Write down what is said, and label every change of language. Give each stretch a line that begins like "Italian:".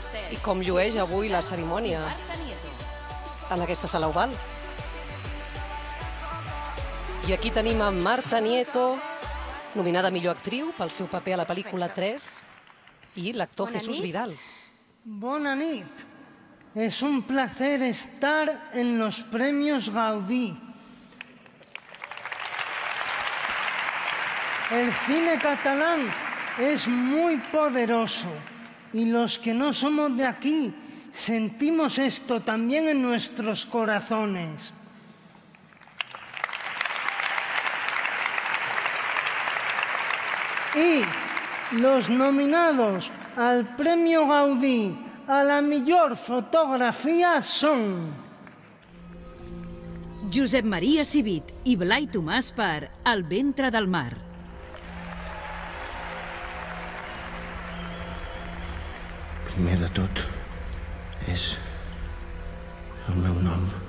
Catalan: I com llueix avui la cerimònia en aquesta Sala Oval? I aquí tenim a Marta Nieto, nominada millor actriu pel seu paper a la pel·lícula 3, i l'actor Jesús Vidal. Bona nit.
Spanish: Es un placer estar en los premios Gaudí. El cine catalán es muy poderoso y los que no somos de aquí sentimos esto también en nuestros corazones. Y los nominados al Premio Gaudí a la mejor fotografía son...
Catalan: Josep Maria Civit i Blai Tomàs per El ventre del mar. Primer de tot, és el meu nom.